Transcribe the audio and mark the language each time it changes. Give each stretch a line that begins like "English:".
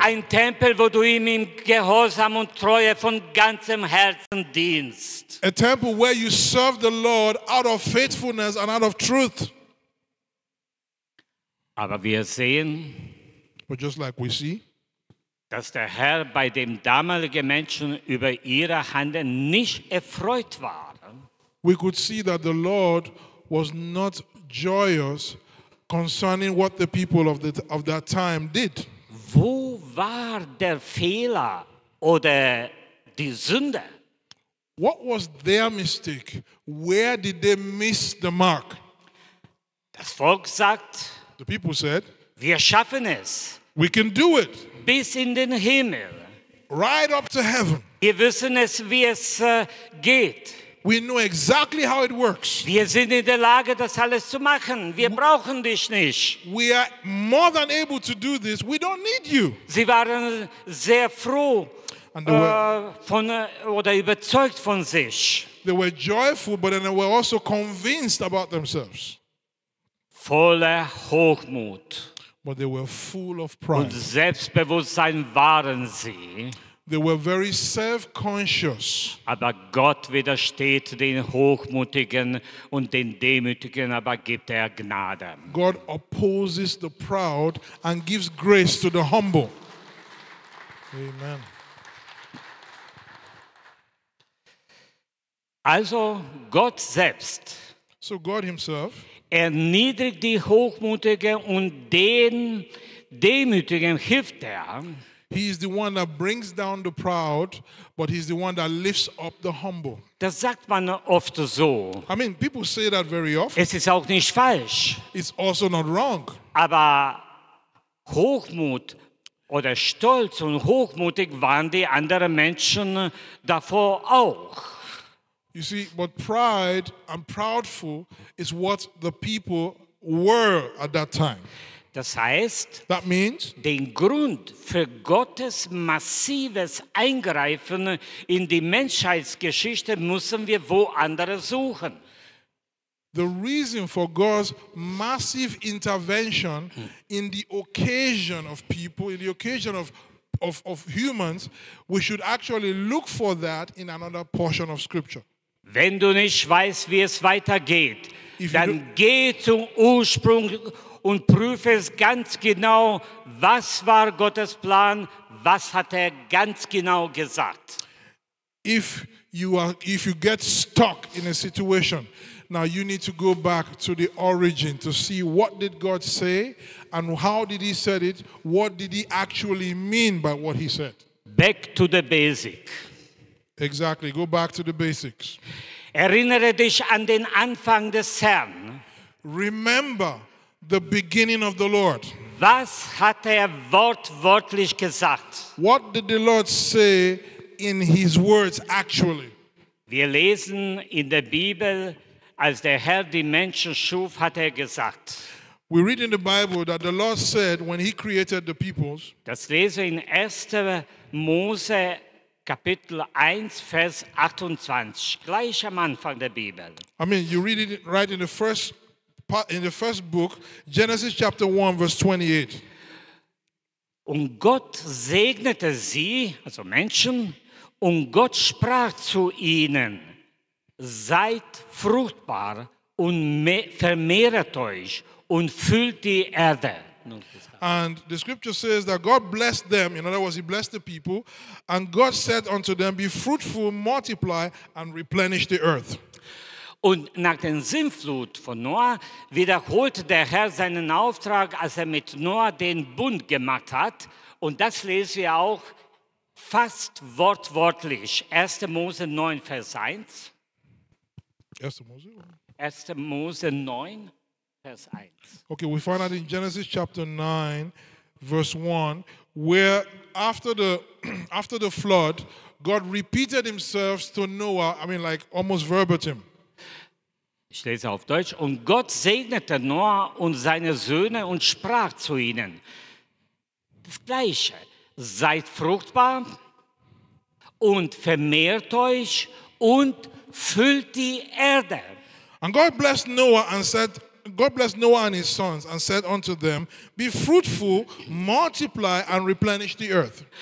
German: Ein Tempel, wo du ihm in Gehorsam und Treue von ganzem Herzen dienst.
English: A temple where you serve the Lord out of faithfulness and out of truth.
German: Aber wir sehen,
English: but just like we see,
German: dass der Herr bei dem damaligen Menschen über ihre Handeln nicht erfreut war.
English: We could see that the Lord was not joyous concerning what the people of that time did.
German: Wo war der Fehler oder die Sünde?
English: What was their mistake? Where did they miss the mark?
German: Das Volk sagt,
English: the people said,
German: wir schaffen es.
English: We can do it.
German: Bis in den Himmel.
English: Right up to heaven.
German: Wir wissen es, wie es geht.
English: We know exactly how it works.
German: Wir sind in der Lage, das alles zu machen. Wir brauchen dich nicht.
English: We are more than able to do this. We don't need you.
German: Sie waren sehr froh oder überzeugt von sich.
English: They were joyful, but then they were also convinced about themselves.
German: Voller Hochmut.
English: But they were full of pride.
German: Und Selbstbewusstsein waren sie.
English: They were very self-conscious.
German: Aber Gott widersteht den Hochmutigen und den Demütigen, aber gibt er Gnade.
English: God opposes the proud and gives grace to the humble. Amen.
German: Also Gott selbst.
English: So God himself.
German: Erniedrigt die Hochmutigen und den Demütigen hilft er.
English: He is the one that brings down the proud, but he's the one that lifts up the humble.
German: Das sagt man oft so.
English: I mean, people say that very often.
German: Es ist auch nicht falsch.
English: It's also not wrong.
German: Aber Hochmut oder Stolz und Hochmutig waren die anderen Menschen davor auch.
English: You see, but pride and proudful is what the people were at that time.
German: Das heißt,
English: that means,
German: den Grund für Gottes massives Eingreifen in die Menschheitsgeschichte müssen wir woanders suchen.
English: The reason for God's massive intervention in the occasion of people, in the occasion of humans, we should actually look for that in another portion of Scripture.
German: Wenn du nicht weißt, wie es weitergeht, dann geh zum Ursprung und prüfe es ganz genau, was war Gottes Plan, was hat er ganz genau gesagt.
English: If you get stuck in a situation, now you need to go back to the origin to see what did God say and how did he said it, what did he actually mean by what he said. Back to the basic. Exactly, go back to the basics.
German: Erinnere dich an den Anfang des Herrn.
English: Remember the beginning of the Lord.
German: Was hat er wortwörtlich gesagt?
English: What did the Lord say in his words actually?
German: Wir lesen in der Bibel, als der Herr die Menschen schuf, hat er gesagt.
English: We read in the Bible that the Lord said when he created the peoples.
German: Das lesen in 1. Mose Kapitel 1, Vers 28, gleich am Anfang der Bibel.
English: I mean, you read it right in the first part, in the first book, Genesis chapter 1, verse 28.
German: Und Gott segnete sie, also Menschen, und Gott sprach zu ihnen, seid fruchtbar und vermehret euch und füllt die Erde.
English: And the scripture says that God blessed them, in other words, he blessed the people, and God said unto them, be fruitful, multiply, and replenish the earth.
German: Und nach der Sintflut von Noah wiederholt der Herr seinen Auftrag, als mit Noah den Bund gemacht hat. Und das lesen wir auch fast wortwörtlich. 1. Mose 9, Vers 1. 1. Mose 9.
English: Okay, we find that in Genesis chapter 9, verse 1, where after the flood, God repeated himself to Noah, I mean like almost verbatim.
German: Ich lese auf Deutsch. Und Gott segnete Noah und seine Söhne und sprach zu ihnen. Das Gleiche. Seid fruchtbar und vermehrt euch und füllt die Erde.
English: And God blessed Noah and said, God blessed Noah and his sons and said unto them, be fruitful, multiply and replenish the earth.